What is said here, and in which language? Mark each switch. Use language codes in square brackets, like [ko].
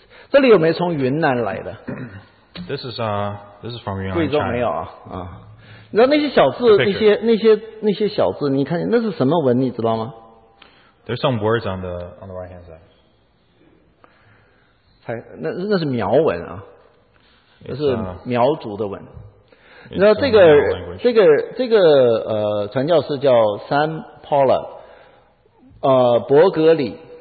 [zh] 不要再打了。问你那边有很多的小字啊，这是个墓碑，旁边那些小字，如果你看清楚，这里有没有从云南来的？ [en] This is from Yunnan. [zh] 贵州没有啊？你知道那些小字，那些小字，你看那是什么文，你知道吗？ [en] There's some words on the right hand side. [zh] 那是苗文啊，那是苗族的文。你知道这个传教士叫 Sam Pollard， 伯格里。